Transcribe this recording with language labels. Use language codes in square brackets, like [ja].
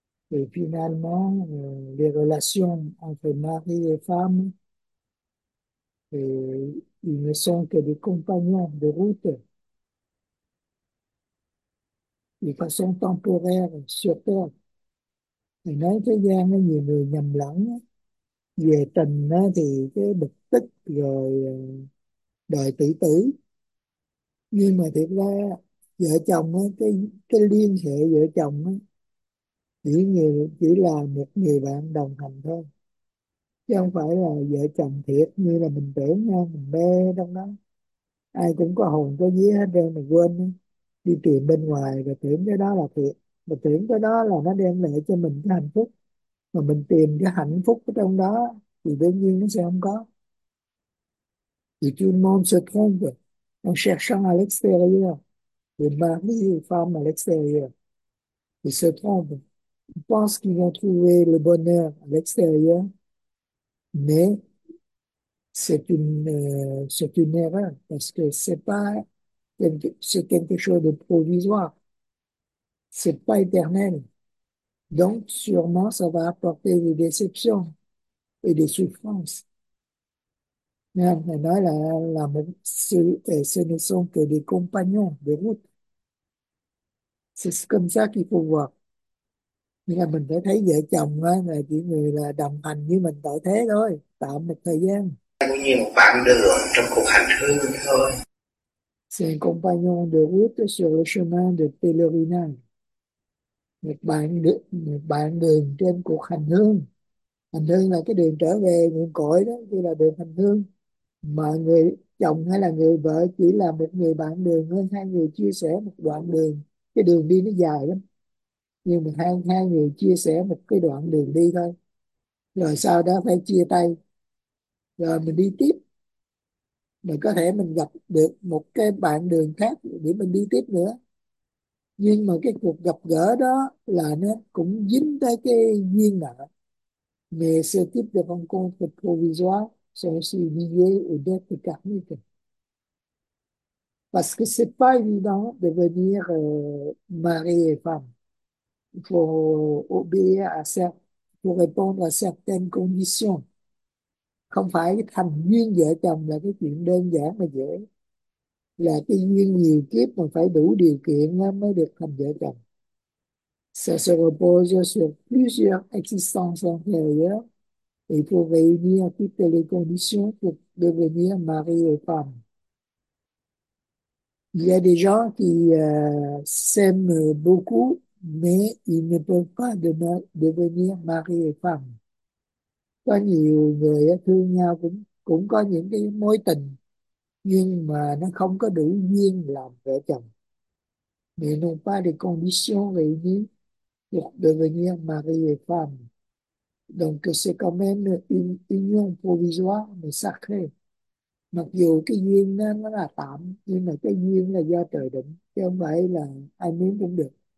[fr] Et finalement, les relations entre mari et femme, ils ne sont que des compagnons de route. De façon temporaire sur terre. [vi] Thì nói thế gian nó nhiều người nhầm lẫn về tình á, thì cái bực tức rồi đòi tự tử. Nhưng mà thiệt ra vợ chồng á, cái liên hệ vợ chồng á, chỉ là một người bạn đồng hành thôi, chứ không phải là vợ chồng thiệt như là mình tưởng nha. Mình mê trong đó ai cũng có hồn có vía hết trơn, mình quên đó. Đi tìm bên ngoài và tưởng cái đó là thiệt, mà tưởng cái đó là nó đem lại cho mình cái hạnh phúc, mà mình tìm cái hạnh phúc ở trong đó thì đương nhiên nó sẽ không có. Thì chuyên môn sẽ không được ông sẽ sang Alexia thì ba cái gì phạm Alexia thì sẽ không được. [fr] Parce qu'ils ont trouvé le bonheur à l'extérieur, mais c'est une erreur, parce que c'est pas c'est quelque chose de provisoire, c'est pas éternel, donc sûrement ça va apporter des déceptions et des souffrances. Mais là la ce ne sont que des compagnons de route, c'est comme ça qu'il faut voir. [vi] Nhưng là mình phải thấy vợ chồng á, là chỉ người là đồng hành với mình tại thế thôi, tạm một thời gian cũng như một bạn đường trong cuộc hành hương thôi. [fr] C'est un compagnon de route sur le chemin de pèlerinage. [vi] Một bạn đường trên cuộc hành hương. Hành hương là cái đường trở về nguồn cội đó, như là đường hành hương. Mà người chồng hay là người vợ chỉ là một người bạn đường thôi, hai người chia sẻ một đoạn đường. Cái đường đi nó dài lắm, nhưng mà hai người chia sẻ một cái đoạn đường đi thôi. Rồi sau đó phải chia tay. Rồi mình đi tiếp. Mình có thể mình gặp được một cái bạn đường khác để mình đi tiếp nữa. Nhưng mà cái cuộc gặp gỡ đó là nó cũng dính tới cái duyên nợ. [fr] Mais ce type de rencontre provisoire sont aussi liées aux dettes karmiques. Parce que c'est pas évident de devenir mari et femme. Il faut obéir à pour répondre à certaines conditions. [vi] Không phải cái thành duyên vợ chồng là cái chuyện đơn giản mà dễ. Là cái duyên nhiều kiếp mà phải đủ điều kiện mới được thành vợ chồng. [fr] Ça se repose sur plusieurs existences antérieures et pour réunir toutes les conditions pour devenir mari et femme. Il y a des gens qui s'aiment beaucoup, mais ils ne peuvent pas devenir mari et femme. [vi] Có nhiều người thương nhau cũng có những cái mối tình, nhưng mà nó không có đủ duyên làm vợ chồng. [fr] Mais non pas des conditions réunies pour devenir mari et femme. Donc c'est quand même une union provisoire mais sacrée. [vi] Mặc dù cái duyên nó là tạm, nhưng mà cái duyên là do trời định, chứ không phải là ai muốn cũng được.